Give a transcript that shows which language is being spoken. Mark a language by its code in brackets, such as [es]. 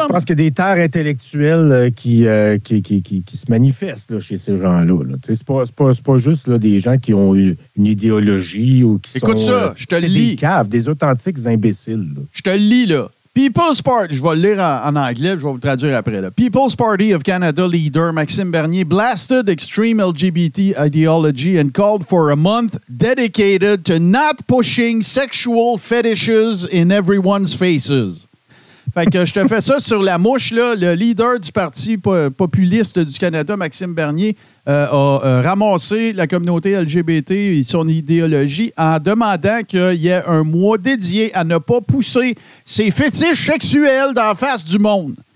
[fr] Je pense qu'il y a des terres intellectuelles qui se manifestent là, chez ces gens-là. Là. C'est pas juste là, des gens qui ont une idéologie ou qui Écoute sont. Écoute ça, je te le lis. Des caves, des authentiques imbéciles. Je te le lis, là. People's Party, je vais le lire en anglais, je vais vous traduire après. Là. [en] People's Party of Canada leader Maxime Bernier blasted extreme LGBT ideology and called for a month dedicated to not pushing sexual fetishes in everyone's faces. [fr] Fait que je te fais ça sur la mouche, là. Le leader du Parti populiste du Canada, Maxime Bernier, a ramassé la communauté LGBT et son idéologie en demandant qu'il y ait un mois dédié à ne pas pousser ses fétiches sexuels dans la face du monde.